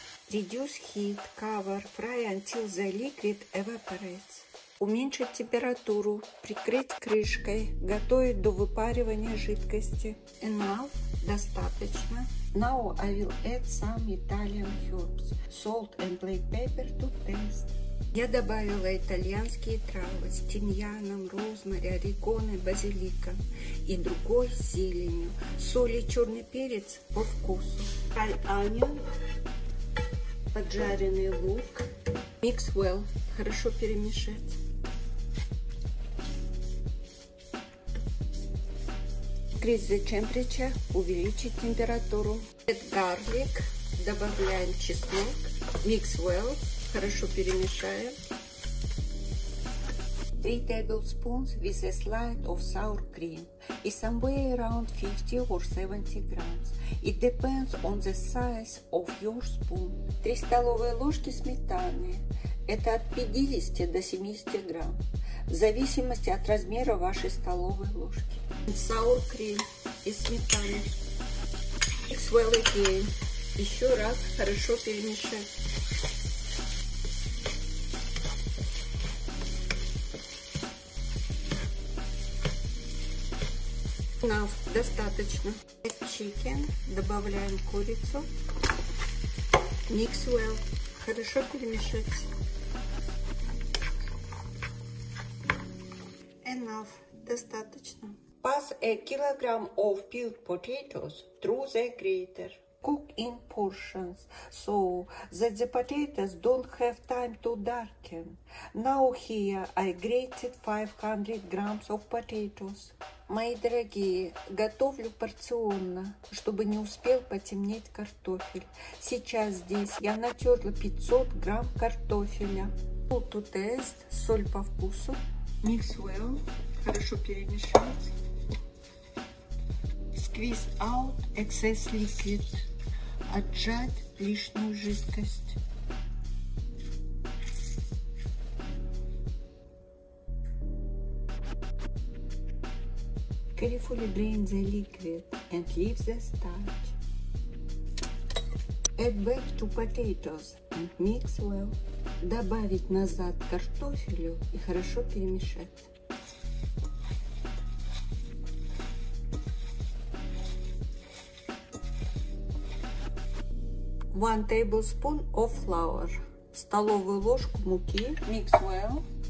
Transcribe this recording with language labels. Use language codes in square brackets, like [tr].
[en] Reduce heat, cover, fry until the liquid evaporates. [ru] Уменьшить температуру, прикрыть крышкой, готовить до выпаривания жидкости. [en] Enough, [ru] достаточно. [en] Now I will add some Italian herbs, salt and black pepper to taste. [ru] Я добавила итальянские травы с тимьяном, розмари, орегано, базилика и другой с зеленью. Соль и черный перец по вкусу. [en] Fry onion. [ru] Поджаренный лук. [en] Mix well. [ru] Хорошо перемешать. [en] Increase the temperature. [ru] Увеличить температуру. [en] Add garlic. [ru] Добавляем чеснок. [en] Mix well. [ru] Хорошо перемешаем. [en] 3 tablespoons with a slide of sour cream. is somewhere around 50 or 70 grams. It depends on the size of your spoon. [ru] 3 столовые ложки сметаны – это от 50 до 70 грамм, в зависимости от размера вашей столовой ложки. [en] Sour cream [ru] из сметаны. [en] Mix well again. [ru] Еще раз хорошо перемешать. [en] Enough. [ru] Достаточно. [en] Add chicken. [ru] Добавляем курицу. [en] Mix well. [ru] Хорошо перемешать. [en] Enough. [ru] Достаточно. [en] Pass a kilogram of peeled potatoes through the grater. Cook in portions so that the potatoes don't have time to darken. Now here I grated 500 grams of potatoes. [ru] Мои дорогие, готовлю порционно, чтобы не успел потемнеть картофель. Сейчас здесь я натерла 500 грамм картофеля. [en] Salt to taste, [ru] соль по вкусу. [en] Mix well, [ru] хорошо перемешать. [en] Squeeze out excess liquid, [ru] отжать лишнюю жидкость. [en] Carefully drain the liquid and leave the starch. Add back to potatoes and mix well. [ru] Добавить назад картофелю и хорошо перемешать. [en] One tablespoon of flour. [ru] Столовую ложку муки. [en] Mix well.